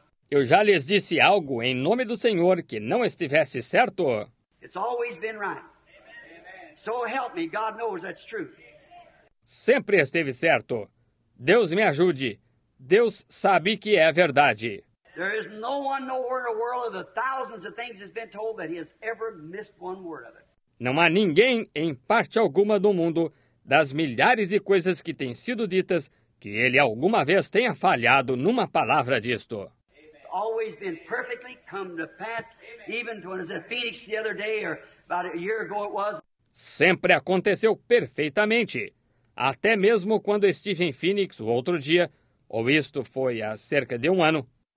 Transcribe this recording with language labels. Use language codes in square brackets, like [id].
[pt] Eu já lhes disse algo em nome do Senhor que não estivesse certo? [en] It's always been right. So help me, God knows that's true. [pt] Sempre esteve certo. Deus me ajude. Deus sabe que é verdade. [en] There is no one nowhere in the world of the thousands of things that's been told that he has ever missed one word of it. [pt] Não há ninguém em parte alguma do mundo das milhares de coisas que têm sido ditas que ele alguma vez tenha falhado numa palavra disto. [en] It's always been perfectly come to pass, even when it was in Phoenix the other day or about a year ago it was. [pt] Sempre aconteceu perfeitamente, até mesmo quando estive em Phoenix o outro dia, ou isto foi há cerca de um ano.